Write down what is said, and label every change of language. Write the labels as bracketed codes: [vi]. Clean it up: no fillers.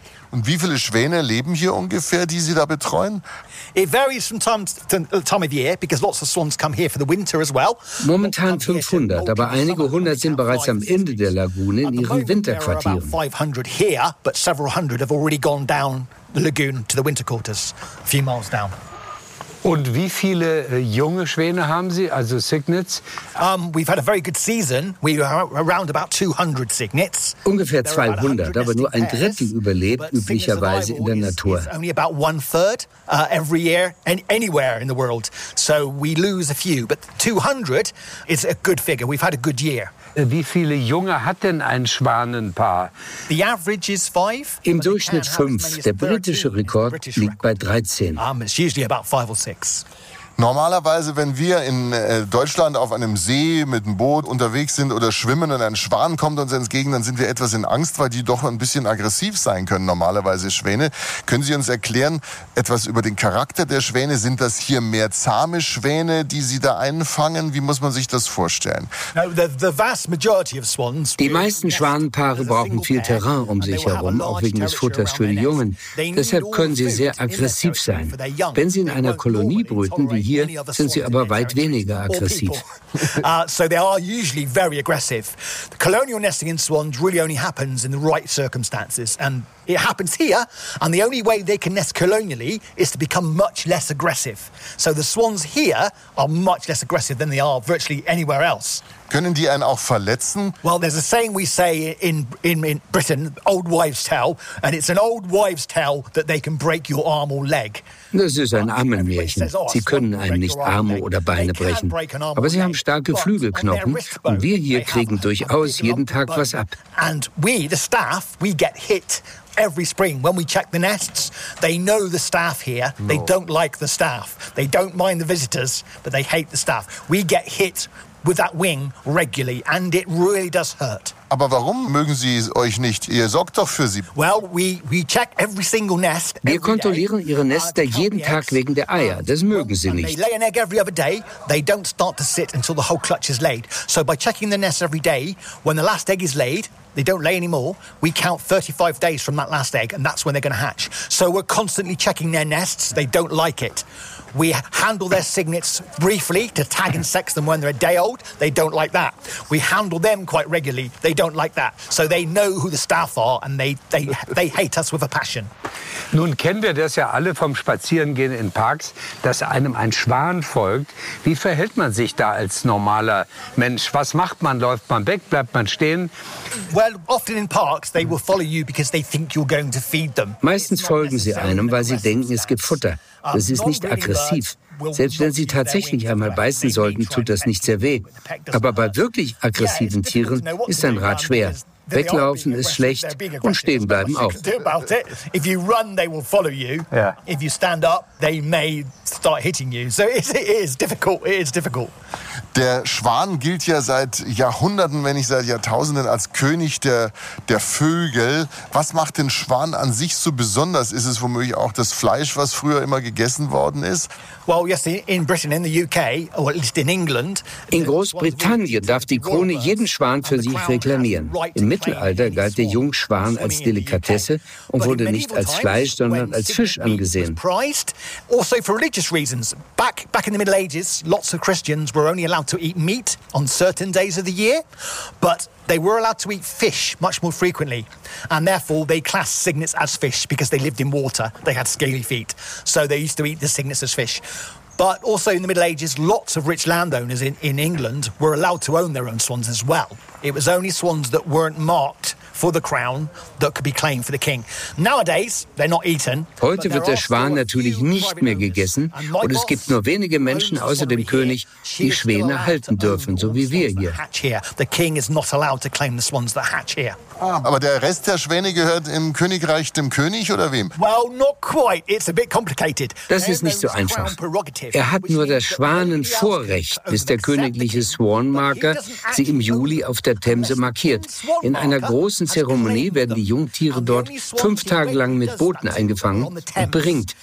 [de] Und wie viele Schwäne leben hier ungefähr, die Sie da betreuen? [en] It varies from time of year, because lots of swans come here for the winter as well. [de] Momentan 500, aber einige hundert sind bereits am Ende der Lagune in ihren Winterquartieren. [en] There are about 500 here, but several hundred have already gone down the lagoon to the winter quarters, a few miles down. [de] Und wie viele junge Schwäne haben Sie, also Cygnets? [en] We've had a very good season. We are around about 200 cygnets. [de] Ungefähr 200, aber nur ein Drittel überlebt üblicherweise in der Natur. [en] Is only about one third every year and anywhere in the world. So we lose a few, but 200 is a good figure. We've had a good year. [de] Wie viele Junge hat denn ein Schwanenpaar? [en] The average is 5. [de] Im Durchschnitt 5. Der britische Rekord liegt bei 13. [en] It's usually about 5 or 6. [de] Normalerweise, wenn wir in Deutschland auf einem See mit einem Boot unterwegs sind oder schwimmen und ein Schwan kommt uns entgegen, dann sind wir etwas in Angst, weil die doch ein bisschen aggressiv sein können, normalerweise Schwäne. Können Sie uns erklären etwas über den Charakter der Schwäne? Sind das hier mehr zahme Schwäne, die Sie da einfangen? Wie muss man sich das vorstellen? Die meisten Schwanenpaare brauchen viel Terrain um sich herum, auch wegen des Futters für die Jungen. Deshalb können sie sehr aggressiv sein. Wenn sie in einer Kolonie brüten, wie hier sind sie aber weit weniger aggressiv. [en] So they are usually very aggressive. The colonial nesting in swans really only happens in the right circumstances and it happens here and the only way they can nest colonially is to become much less aggressive. So the swans here are much less aggressive than they are virtually anywhere else. [de] Können die einen auch verletzen? [en] Well, there's a saying we say in Britain, old wives tale, and it's an old wives tale that they can break your arm or leg. [de] Das ist ein Ammenmärchen. Sie können einem nicht Arme oder Beine brechen. Aber sie haben starke Flügelknochen und wir hier kriegen durchaus jeden Tag was ab. [en] And we, the staff, we get hit every spring when we check the nests. They know the staff here. They don't like the staff. They don't mind the visitors, but they hate the staff. We get hit with that wing regularly and it really does hurt. [de] Aber warum mögen sie euch nicht? Ihr sorgt doch für sie. [en] Well, we check every single nest. [de] Wir kontrollieren ihre Nester jeden Tag wegen der Eier. Das mögen sie nicht. [en] They lay an egg every other day. They don't start to sit until the whole clutch is laid. So by checking the nest every day, when the last egg is laid, they don't lay anymore. We count 35 days from that last egg and that's when they're going to hatch. So we're constantly checking their nests. They don't like it. We handle their cygnets briefly to tag and sex them when they're a day old. They don't like that. We handle them quite regularly. They don't like that. So they know who the staff are and they hate us with a passion. [de] Nun kennen wir das ja alle vom Spazierengehen in Parks, dass einem ein Schwan folgt. Wie verhält man sich da als normaler Mensch? Was macht man? Läuft man weg? Bleibt man stehen? [en] Well, often in parks they will follow you because they think you're going to feed them. [de] Meistens folgen sie einem, weil sie denken, es gibt Futter. Das ist nicht aggressiv. Selbst wenn sie tatsächlich einmal beißen sollten, tut das nicht sehr weh. Aber bei wirklich aggressiven Tieren ist ein Rat schwer. Weglaufen ist schlecht und stehen bleiben auch. [en] If you run, they will follow you. If you stand up, they may start hitting you. So it is difficult. [de] Der Schwan gilt ja seit Jahrhunderten, wenn nicht seit Jahrtausenden, als König der Vögel. Was macht den Schwan an sich so besonders? Ist es womöglich auch das Fleisch, was früher immer gegessen worden ist? [en] Well, yes, in Britain, in the UK, or at least in England. [de] In Großbritannien darf die Krone jeden Schwan für sich reklamieren. Im Mittelalter galt der Jungschwan als Delikatesse und wurde nicht als Fleisch, sondern als Fisch angesehen. [en] Also for religious reasons. Back in the Middle Ages, lots of Christians were only allowed to eat meat on certain days of the year, but they were allowed to eat fish much more frequently, and therefore they classed cygnets as fish because they lived in water, they had scaly feet, so they used to eat the cygnets as fish. But also in the Middle Ages, lots of rich landowners in England were allowed to own their own swans as well. It was only swans that weren't marked for the crown that could be claimed for the king. Nowadays, they're not eaten. [de] Heute wird der Schwan natürlich nicht mehr gegessen und es gibt nur wenige Menschen außer dem König, die Schwäne halten dürfen, so wie wir hier. [en] The king is not allowed to claim the swans that hatch here. [de] Aber der Rest der Schwäne gehört im Königreich dem König oder wem? [en] Well, not quite. It's a bit complicated. [de] Das ist nicht so einfach. Er hat nur das Schwanenvorrecht, bis der königliche Swanmarker sie im Juli auf der Themse markiert. In einer großen Zeremonie werden die Jungtiere dort 5 Tage lang mit Booten eingefangen und beringt.